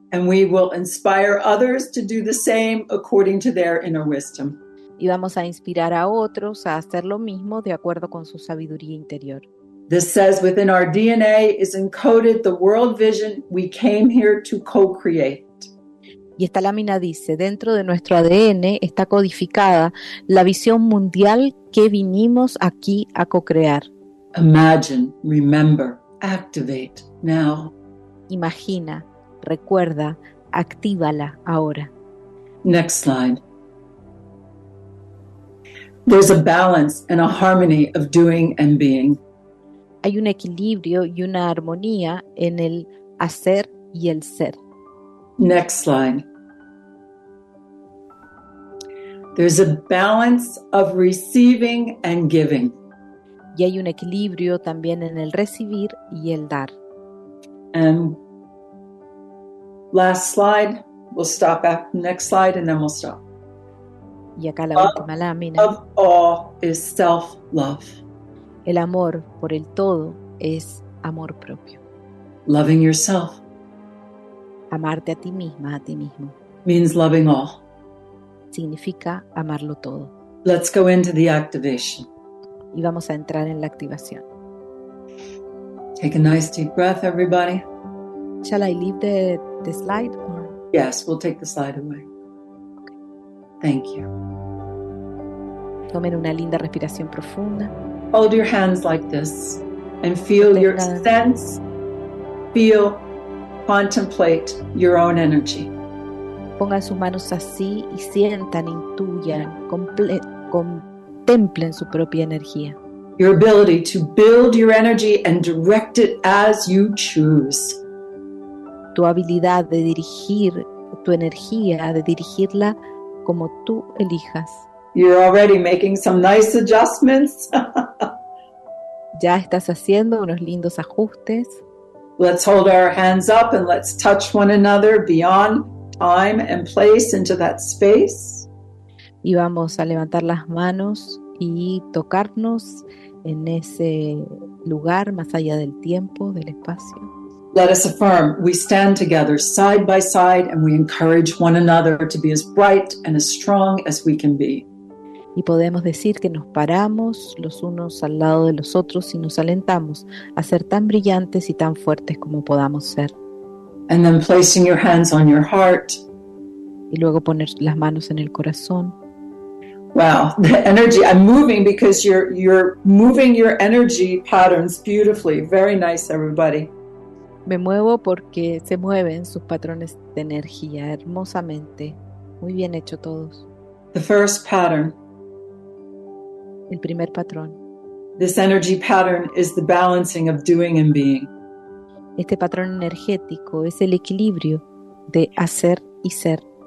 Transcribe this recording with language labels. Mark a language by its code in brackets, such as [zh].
[en] And we will inspire others to do the same according to their inner wisdom. [es] Y vamos a inspirar a otros a hacer lo mismo de acuerdo con su sabiduría interior. [en] This says within our DNA is encoded the world vision we came here to co-create. [es] Y esta lámina dice, dentro de nuestro ADN está codificada la visión mundial que vinimos aquí a co-crear. [en] Imagine, remember, activate now. [es] Imagina, recuerda, actívala ahora. [en] Next slide. There's a balance and a harmony of doing and being. [es] Hay un equilibrio y una armonía en el hacer y el ser. [en] Next slide. There's a balance of receiving and giving. [es] Y hay un equilibrio también en el recibir y el dar. [en] And last slide, we'll stop at next slide and then we'll stop. [es] Y acá la última lámina. [en] Of all is self-love. [es] El amor por el todo es amor propio. [en] Loving yourself. [es] Amarte a ti misma, a ti mismo. [en] Means loving all. [es] Significa amarlo todo. [en] Let's go into the activation. [es] Y vamos a entrar en la activación. [en] Take a nice deep breath, everybody. Shall I leave the slide? Or? Yes, we'll take the slide away. Okay. Thank you. [es] Tomen una linda respiración profunda. [en] Hold your hands like this and feel your sense, feel, contemplate your own energy. [es] Pongan sus manos así y sientan, intuyan, contemplen su propia energía. [en] Your ability to build your energy and direct it as you choose. [es] Tu habilidad de dirigir tu energía, de dirigirla como tú elijas. [en] You're already making some nice adjustments. [es] Ya estás haciendo unos lindos ajustes. [en] Let's hold our hands up and let's touch one another beyond time and place into that space. [es] Y vamos a levantar las manos y tocarnos en ese lugar más allá del tiempo, del espacio. [en] Let us affirm we stand together side by side and we encourage one another to be as bright and as strong as we can be. [es] Y podemos decir que nos paramos los unos al lado de los otros y nos alentamos a ser tan brillantes y tan fuertes como podamos ser. [en] And then placing your hands on your heart. [es] Y luego poner las manos en el corazón. [en] Wow, the energy, I'm moving because you're moving your energy patterns beautifully. Very nice, everybody. [es] Me muevo porque se mueven sus patrones de energía hermosamente. Muy bien hecho todos. [en] The first pattern. [es] El primer patrón. [en] This energy pattern is the balancing of doing and being. [es] Este patrón energético es el equilibrio de hacer y ser.